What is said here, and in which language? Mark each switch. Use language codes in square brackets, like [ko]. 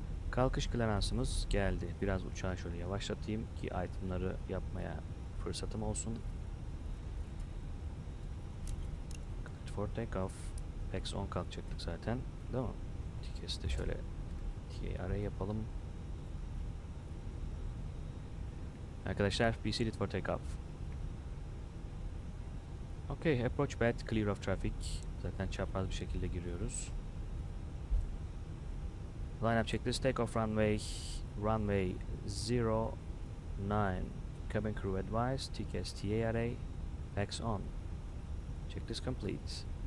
[tr] Kalkış klaransımız geldi. Biraz uçağı şöyle yavaşlatayım ki itemları yapmaya fırsatım olsun. [en] Cleared for takeoff. [tr] PAX 10 kalkacaktık zaten. Değil mi? TKS'i de şöyle TAR'e yapalım. [en] Arkadaşlar, be seated for takeoff. Okay, approach pad clear of traffic. [tr] Zaten çapraz bir şekilde giriyoruz. [en] Line up checklist, take off runway, runway 09, cabin crew advice, TKS TARA, PAX on, checklist complete.